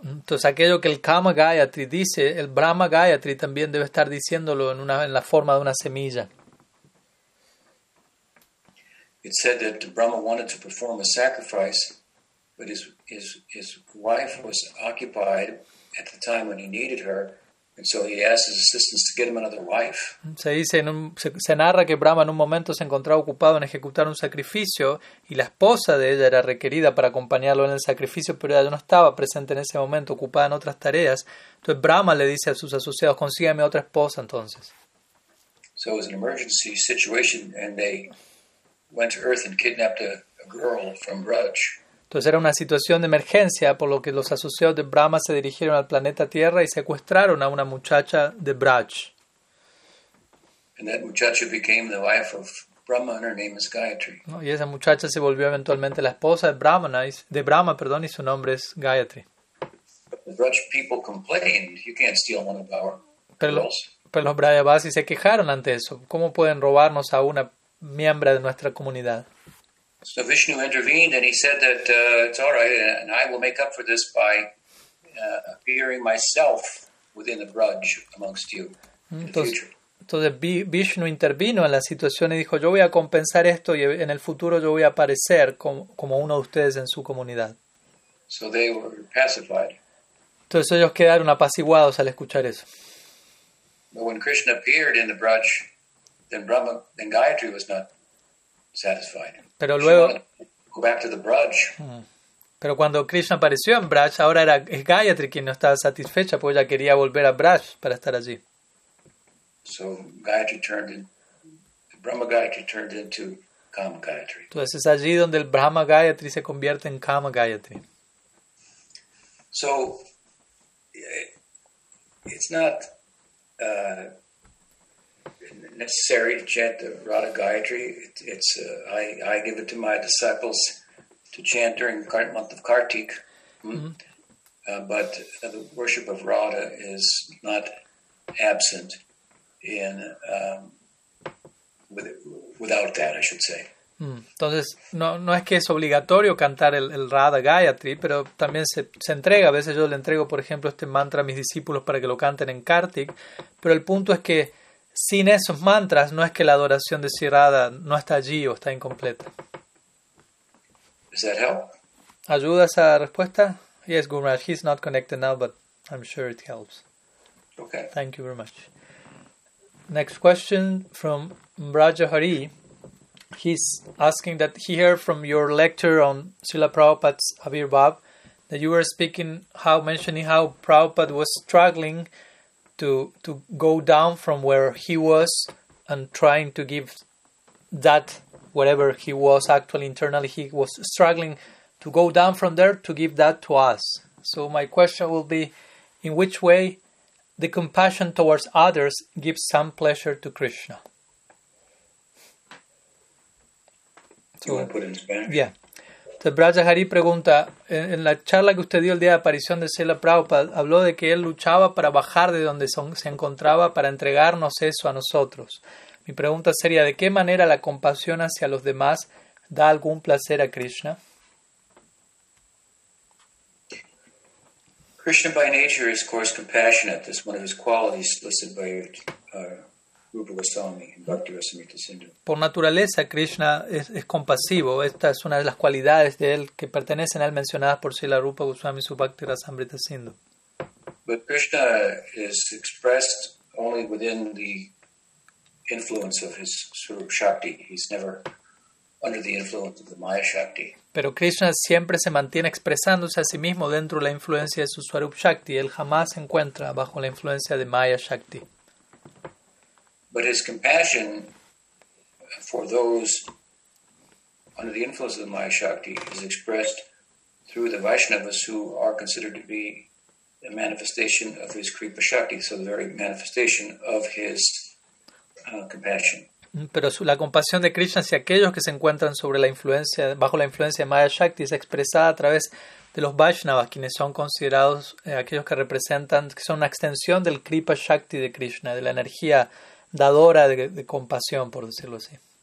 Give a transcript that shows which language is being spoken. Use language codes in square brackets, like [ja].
[es] Entonces aquello que el Kama Gayatri dice, el Brahma Gayatri también debe estar diciéndolo en la forma de una semilla. [en] It said that Brahma wanted to perform a sacrifice, but his wife was occupied at the time when he needed her, and so he asked his assistants to get him another wife. [es] Se narra que Brahma en un momento se encontraba ocupado en ejecutar un sacrificio y la esposa de ella era requerida para acompañarlo en el sacrificio, pero ella no estaba presente en ese momento, ocupada en otras tareas. Entonces Brahma le dice a sus asociados, consígueme otra esposa entonces. [en] So it was an emergency situation and they went to Earth and kidnapped a girl from Raj. [es] Entonces era una situación de emergencia, por lo que los asociados de Brahma se dirigieron al planeta Tierra y secuestraron a una muchacha de Braj. [en] And that muchacha became the wife of Brahma, and her name is Gayatri. [es] ¿No? Y esa muchacha se volvió eventualmente la esposa de Brahma, y su nombre es Gayatri. [en] The Braj people complained, you can't steal one of our girls. [es] Pero los Brajavasis se quejaron ante eso. ¿Cómo pueden robarnos a una miembro de nuestra comunidad? [en] So Vishnu intervened and he said that it's all right and I will make up for this by appearing myself within the Braj amongst you in the future. [es] Entonces Vishnu intervino en la situación y dijo, yo voy a compensar esto y en el futuro yo voy a aparecer como uno de ustedes en su comunidad. [en] So they were pacified. [es] Entonces ellos quedaron apaciguados al escuchar eso. [en] But when Krishna appeared in the Braj, then Gayatri was not satisfied. [es] Pero luego, [en] go back to the Braj. [es] Pero cuando Krishna apareció en Braj, ahora era Gayatri quien no estaba satisfecha, porque ella quería volver a Braj para estar allí. [en] So Gayatri turned into Brahma Gayatri turned into Kama Gayatri. [es] Entonces es allí donde el Brahma Gayatri se convierte en Kama Gayatri. [en] So it's not necessary to chant the Radha Gayatri. I give it to my disciples to chant during the month of Kartik. But the worship of Radha is not absent in without that, I should say. [es] Entonces, no es que es obligatorio cantar el Radha Gayatri, pero también se entrega. A veces yo le entrego, por ejemplo, este mantra a mis discípulos para que lo canten en Kartik. Pero el punto es que sin esos mantras, no es que la adoración de Radha no está allí o está incompleta. [en] Does that help? [es] ¿Ayuda esa respuesta? [en] Yes, Gurmaj, he's not connected now, but I'm sure it helps. Okay. Thank you very much. Next question from Brajahari. He's asking that he heard from your lecture on Srila Prabhupada's Avirbhav that you were speaking, how mentioning how Prabhupada was struggling to go down from where he was and trying to give that whatever he was actually internally, he was struggling to go down from there to give that to us. So my question will be, in which way the compassion towards others gives some pleasure to Krishna? Yeah. [es] Entonces, Brajahari pregunta, en la charla que usted dio el día de aparición de Srila Prabhupada, habló de que él luchaba para bajar de donde se encontraba para entregarnos eso a nosotros. Mi pregunta sería, ¿de qué manera la compasión hacia los demás da algún placer a Krishna? [en] Krishna by nature is of course compassionate. This is one of his qualities listed by Rupa Goswami in Bhakti Rasamrita Sindhu. [es] Por naturaleza Krishna es compasivo. Esta es una de las cualidades de él que pertenecen a él mencionadas por Srila Rupa Goswami su Bhakti Rasamrita Sindhu. [en] But Krishna is expressed only within the influence of his Swarup Shakti. He's never under the influence of the Maya Shakti. [es] Pero Krishna siempre se mantiene expresándose a sí mismo dentro de la influencia de su Swarup Shakti. Él jamás se encuentra bajo la influencia de Maya Shakti. [en] But his compassion for those under the influence of the Maya Shakti is expressed through the Vaishnavas who are considered to be a manifestation of his Kripa Shakti, so the very manifestation of his compassion. [es] Pero la compasión de Krishna hacia aquellos que se encuentran bajo la influencia de Maya Shakti es expresada a través de los Vaishnavas, quienes son considerados aquellos que representan, que son una extensión del Kripa Shakti de Krishna, de la energía dadora de compasión, por decirlo así.